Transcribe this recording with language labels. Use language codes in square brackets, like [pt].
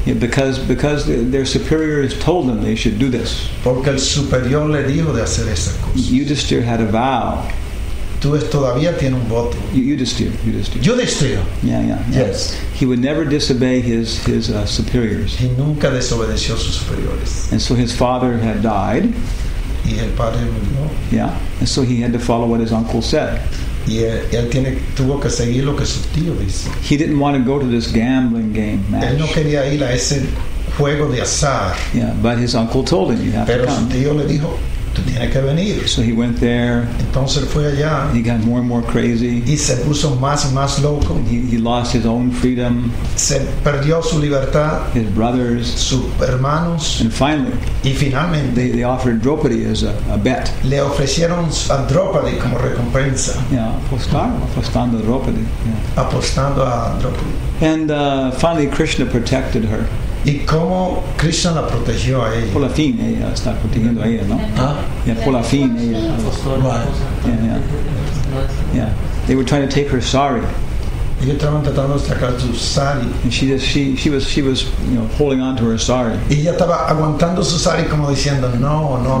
[en] Yeah, because their superior has told them they should do this. [es] Porque el superior le dijo de hacer esas cosas. [en] Yudhisthira had a vow. [es] Tú todavía tienes un voto. [en] Yudhisthira. Yeah. Yes. He would never disobey his superiors. [es] Y nunca desobedeció a sus superiores. [en] And so his father had died. [es] Y el padre murió. [en] Yeah, and so he had to follow what his uncle said. [es] Y él tuvo que seguir lo que su tío dice. [en] He didn't want to go to this gambling game match. [es] Él no quería ir a ese juego de azar. [en] Yeah, but his uncle told him, you have [es] pero [en] to come. [es] Su tío le dijo, tú tienes que venir. [en] So he went there. [es] Entonces fue allá. [en] He got more and more crazy. [es] Y se puso más y más loco. [en] He lost his own freedom. [es] Se perdió su libertad. [en] His brothers. [es] Sus hermanos. [en] And finally. [es] Y finalmente. [en] They offered Draupadi as a bet. [es] Le ofrecieron a Draupadi como recompensa. Yeah, apostando a Draupadi. Yeah. Apostando a Draupadi. [en] And finally, Krishna protected her. [es] ¿Y cómo Krishna la protegió a ella? Por la fin ella está protegiendo a ella, ¿no? Ah, yeah, por la fin ella. [en] Right. Yeah. They were trying to take her sari. [es] Ellos estaban tratando de sacar su sari. [en] And she was you know, holding on to her sari. [es] Y ella estaba aguantando su sari como diciendo no.